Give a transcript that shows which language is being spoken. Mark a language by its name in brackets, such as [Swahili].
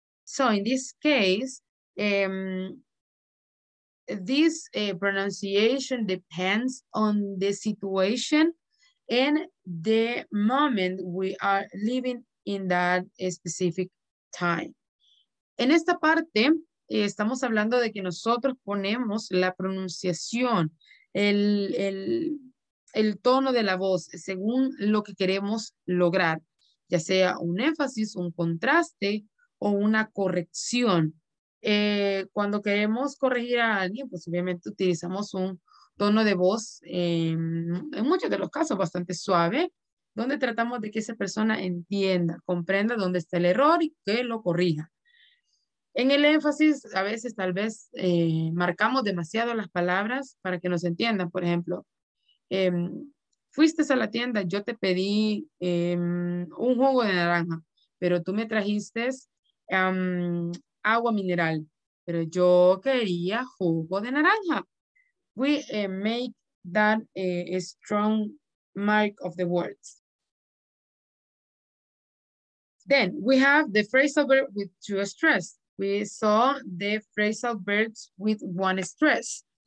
[English] So in this case, this pronunciation depends on the situation and the moment we are living in that specific time. [Spanish] En esta parte, estamos hablando de que nosotros ponemos la pronunciación, el tono de la voz, según lo que queremos lograr, ya sea un énfasis, un contraste o una corrección. Cuando queremos corregir a alguien, pues obviamente utilizamos un tono de voz, en muchos de los casos bastante suave, donde tratamos de que esa persona entienda, comprenda dónde está el error y que lo corrija. En el énfasis, a veces tal vez marcamos demasiado las palabras para que nos entiendan. Por ejemplo, fuiste a la tienda, yo te pedí un jugo de naranja, pero tú me trajiste agua mineral, pero yo quería jugo de naranja. [English] We make that a strong mark of the words. Then we have the phrasal verb with two stress. We saw the phrasal verbs with one stress.